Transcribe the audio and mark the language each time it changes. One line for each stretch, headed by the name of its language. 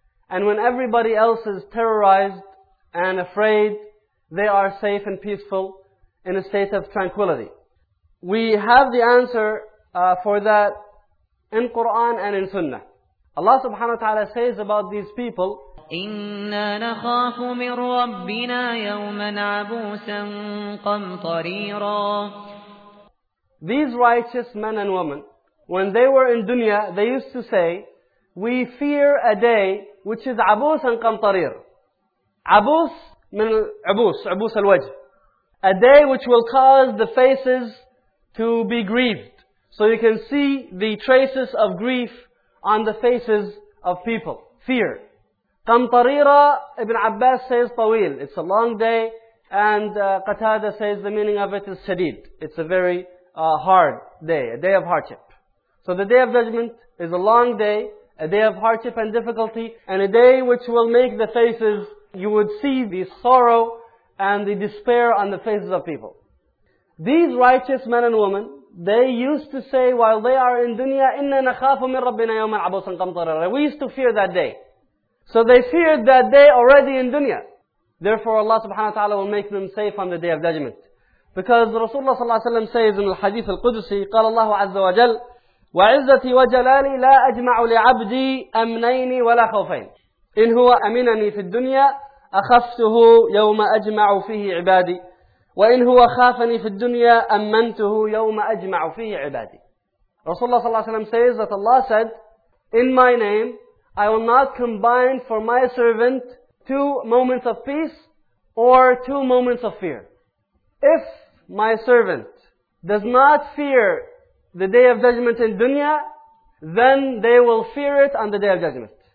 English: And when everybody else is terrorized and afraid, they are safe and peaceful in a state of tranquility. We have the answer for that in Quran and in Sunnah. Allah subhanahu wa ta'ala says about these people,
Arabic: إنا نخاف من ربنا يوما عبوسا قمطريرا.
English: These righteous men and women, when they were in dunya, they used to say, we fear a day which is عبوس and قمطرير. عبوس من عبوس, عبوس الوجه. A day which will cause the faces to be grieved. So you can see the traces of grief on the faces of people. Fear. قمطريرا, Ibn Abbas says طويل. It's a long day. And Qatada says the meaning of it is شديد. It's a very hard day. A day of hardship. So the day of judgment is a long day. A day of hardship and difficulty. And a day which will make the faces, you would see the sorrow and the despair on the faces of people. These righteous men and women, they used to say while they are in dunya,
Arabic: إِنَّا نَخَافُ مِنْ رَبِّنَا يَوْمًا عَبُوسًا قَمْطَرِرًا.
English: We used to fear that day. So they feared that day already in dunya. Therefore Allah subhanahu wa ta'ala will make them safe on the day of judgment. Because Rasulullah sallallahu alayhi wa sallam says in al-hadith al-Qudusi,
Arabic: قال الله عز وجل, وَعِزَّتِي وَجَلَالِي لَا أَجْمَعُ لِعَبْدِي أَمْنَيْنِ وَلَا خَوْفَيْنِ إِنْ هُوَ أَمِنَنِي فِي الدُّنْيَا أَخَفْتُهُ يَوْمَ أَجْمَعُ فِيهِ عِبَادِي وَإِنْ هُوَ خَافَنِي فِي الدُّنْيَا أَمَّنْتُهُ يَوْمَ أَجْمَعُ فِيهِ عِبَادِي.
English: Rasulullah sallallahu alayhi wa sallam says that Allah said, in my name, I will not combine for my servant two moments of peace or two moments of fear. If my servant does not fear the day of judgment in dunya, then they will fear it on the day of judgment.